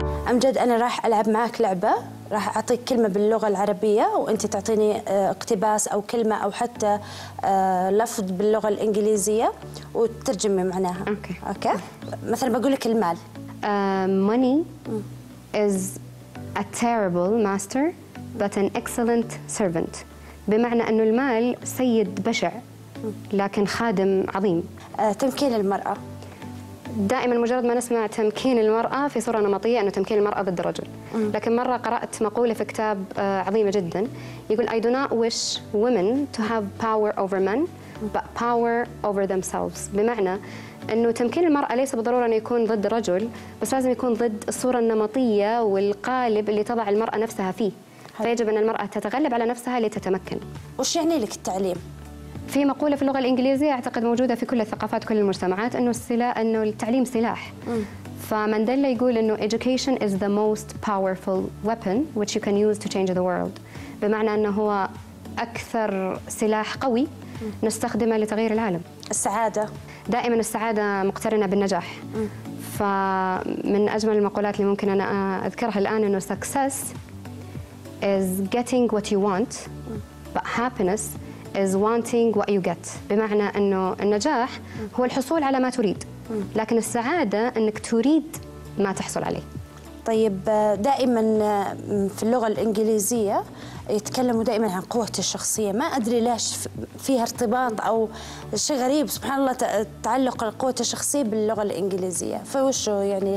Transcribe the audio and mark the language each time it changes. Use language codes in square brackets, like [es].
[ar] أمجد أنا راح ألعب معك لعبة، راح أعطيك كلمة باللغة العربية وأنت تعطيني اقتباس أو كلمة أو حتى لفظ باللغة الإنجليزية وترجمي معناها. أوكي. مثلا بقولك المال. [en] Money is a terrible master but an excellent servant. [ar] بمعنى أنه المال سيد بشع لكن خادم عظيم. تمكين المرأة. دائما مجرد ما نسمع تمكين المرأة في صورة نمطية أنه تمكين المرأة ضد الرجل. لكن مرة قرأت مقولة في كتاب عظيمة جدا يقول [en] I do not wish women to have power over men but power over themselves. [ar] بمعنى أنه تمكين المرأة ليس بالضرورة أن يكون ضد الرجل بس لازم يكون ضد الصورة النمطية والقالب اللي تضع المرأة نفسها فيه. فيجب أن المرأة تتغلب على نفسها لتتمكن. وش يعني لك التعليم؟ في مقولة في اللغة الإنجليزية أعتقد موجودة في كل الثقافات كل المجتمعات أنه التعليم سلاح. فمن دل يقول أنه [en] education is the most powerful weapon which you can use to change the world. [ar] بمعنى أنه هو أكثر سلاح قوي نستخدمه لتغيير العالم. السعادة. دائما السعادة مقترنة بالنجاح. فمن أجمل المقولات اللي ممكن أنا أذكرها الآن أنه [en] success is getting what you want but happiness is wanting what you get. [ar] بمعنى أنه النجاح هو الحصول على ما تريد لكن السعادة أنك تريد ما تحصل عليه. طيب دائما في اللغة الإنجليزية يتكلموا دائما عن قوة الشخصية، ما أدري ليش فيها ارتباط أو شيء غريب سبحان الله تعلق القوة الشخصية باللغة الإنجليزية، فوشو يعني؟